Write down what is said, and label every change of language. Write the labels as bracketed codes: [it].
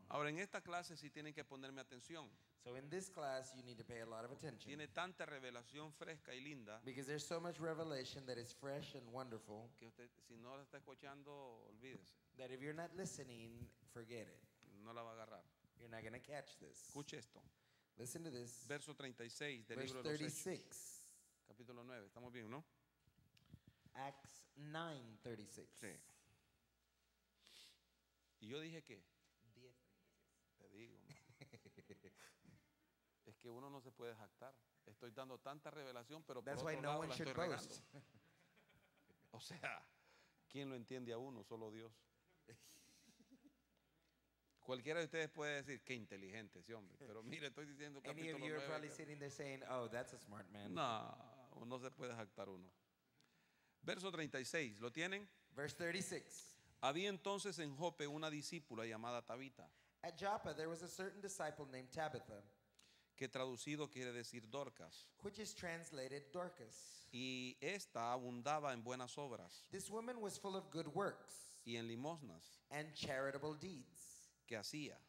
[es] Ahora en esta clase sí tienen que ponerme atención. [en] So in this class you need to pay a lot of attention. [es] Tiene tanta revelación fresca y linda. [en] Because there's so much revelation that is fresh and wonderful. [es] Que usted, si no la está escuchando, olvídese. [en] That if you're not listening, forget it. [es] No la va a agarrar. [en] You're not going to catch this. [es] Escuche esto. [en] Listen to this. [es] Verso 36 del libro de los Hechos. Capítulo 9. Estamos bien, ¿no? [en] Acts 9:36. [es] Sí. ¿Y yo dije qué? 10:36. digo, man. Es que uno no se puede jactar. Estoy dando tanta revelación, pero por otro lado la estoy regando. O sea, ¿quién lo entiende a uno? Solo Dios. Cualquiera de ustedes puede decir, qué inteligente ese hombre. Pero mire, estoy diciendo capítulo 9. [en] Any of you are probably sitting there saying, oh, that's a smart man. [es] No, no se puede jactar uno. Verso 36, ¿lo tienen? [en] Verse 36. [es] Había entonces en Joppe una discípula llamada Tabita. [en] At Joppa, there was a certain disciple named Tabitha. [es] Que traducido quiere decir Dorcas. [en] Which is translated Dorcas. [es] Y esta abundaba en buenas obras. [en] This woman was full of good works. [es] Y en limosnas. [en] And charitable deeds. [es] Que hacía.